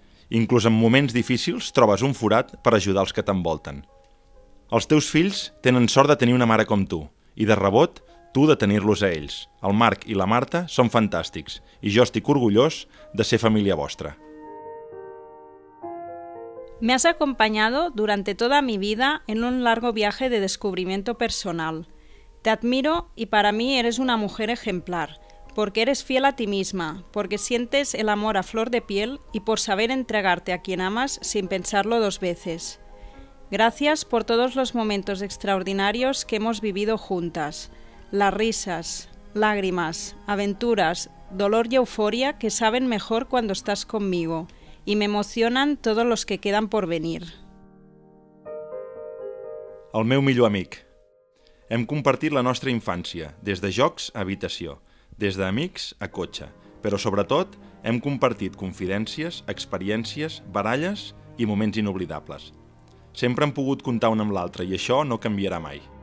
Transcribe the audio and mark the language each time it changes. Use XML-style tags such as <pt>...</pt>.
<ca>Inclús en moments difícils trobes un forat per ajudar els que t'envolten. Els teus fills tenen sort de tenir una mare com tu, i de rebot, tu de tenir-los a ells. El Marc i la Marta són fantàstics, i jo estic orgullós de ser família vostra.</ca> <es>Me has acompañado durante toda mi vida en un largo viaje de descubrimiento personal. Te admiro y para mí eres una mujer ejemplar, porque eres fiel a ti misma, porque sientes el amor a flor de piel y por saber entregarte a quien amas sin pensarlo dos veces. Gracias por todos los momentos extraordinarios que hemos vivido juntas. Las risas, lágrimas, aventuras, dolor y euforia que saben mejor cuando estás conmigo. Y me emocionan todos los que quedan por venir.</es> <ca>El meu millor amic. Hem compartit la nostra infància, des de jocs a habitació, des d'amics a cotxe, però sobretot hem compartit confidències, experiències, baralles i moments inoblidables. Sempre hem pogut comptar un amb l'altre i això no canviarà mai.</ca>